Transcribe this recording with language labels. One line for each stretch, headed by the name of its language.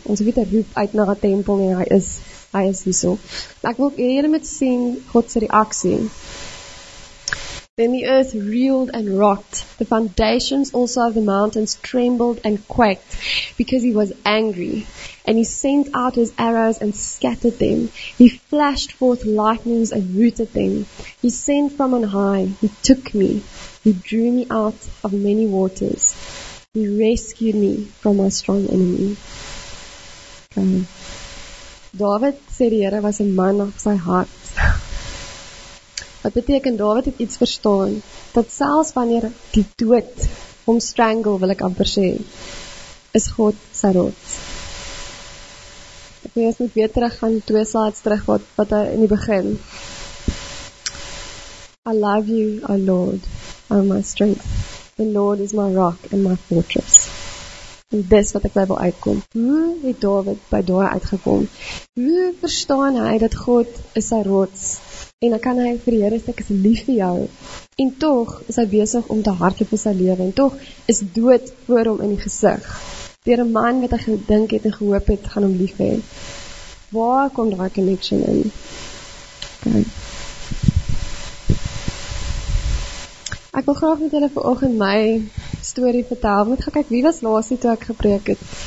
Afrikaans: Ons weet, hy roep uit na die tempel, en hy is hier so. Ek wil julle met sien God se reaksie.
English: Then the earth reeled and rocked. The foundations also of the mountains trembled and quaked because he was angry. And he sent out his arrows and scattered them. He flashed forth lightnings and rooted them. He sent from on high. He took me. He drew me out of many waters. He rescued me from my strong enemy. David said the Here was a man of his heart.
Afrikaans: Wat beteken, David het iets verstaan, dat selfs wanneer die dood hom strangle, wil ek amper sê, is God sy rots. Ek wil eerst met weer terug gaan, twee slides terug, wat hy in die begin.
English: I love you, O Lord, and my strength. The Lord is my rock and my fortress.
Afrikaans: En dis wat ek by wil uitkom. Hoe het David by daar uitgekom? Hoe verstaan hy dat God is sy rots? En dan kan hy vir die Here sê, ek is lief vir jou. En toch is hy besig om te hardloop in sy lewe. En toch is dood voor hom in die gesig. Deur 'n man wat hy gedink het en gehoop het, gaan hom lief hê. Waar kom daai connection in? Okay. Ek wil graag met julle vanoggend my story vertel. Moet gaan kyk, wie was laas toe ek gepreek het?